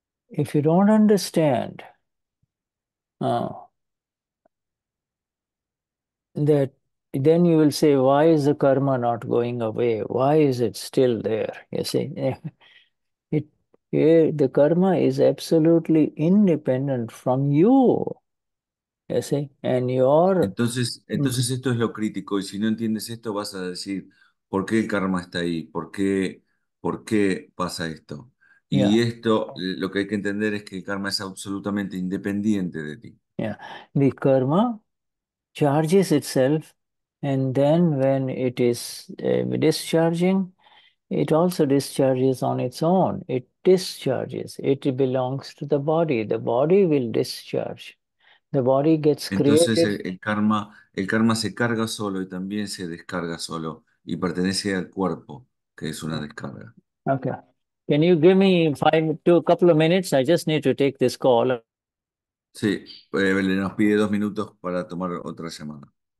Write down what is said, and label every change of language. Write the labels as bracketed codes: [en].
[en] If you don't understand that, then you will say, why is the karma not going away? Why is it still there? You see, the karma is absolutely independent from you. You see, and your. [es] Entonces esto es lo crítico, y si no entiendes esto, vas a decir, ¿por qué el karma está ahí? ¿Por qué pasa esto? Y esto, lo que hay que entender es que el karma es absolutamente independiente de ti. [en] The karma charges itself, and then when it is discharging, it also discharges on its own. It discharges. It belongs to the body. The body will discharge. The body gets [es] Entonces [en] created. [es] el karma se carga solo y también se descarga solo y pertenece al cuerpo, que es una descarga. [en] Okay. Can you give me 5 to a couple of minutes? I just need to take this call. [es] Sí, le nos pide 2 minutos para tomar otra llamada.